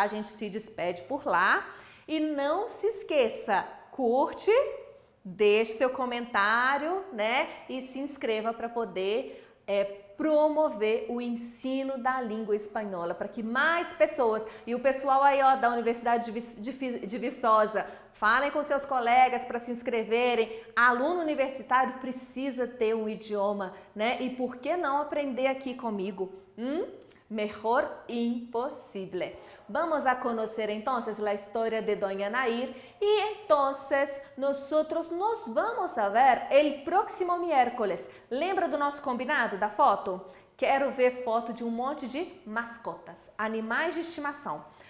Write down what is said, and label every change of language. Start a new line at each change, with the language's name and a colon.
Portuguese: A gente se despede por lá. E não se esqueça, curte, deixe seu comentário, né, e se inscreva para poder promover o ensino da língua espanhola, para que mais pessoas, e o pessoal aí, ó, da Universidade de Viçosa, falem com seus colegas para se inscreverem. Aluno universitário precisa ter um idioma, né? E por que não aprender aqui comigo?
Spanish: Mejor imposível. Vamos a conocer entonces la historia de Doña Nair y entonces nosotros nos vamos a ver el próximo miércoles.
Portuguese: Lembra do nosso combinado, da foto? Quero ver foto de um monte de mascotas, animais de estimação.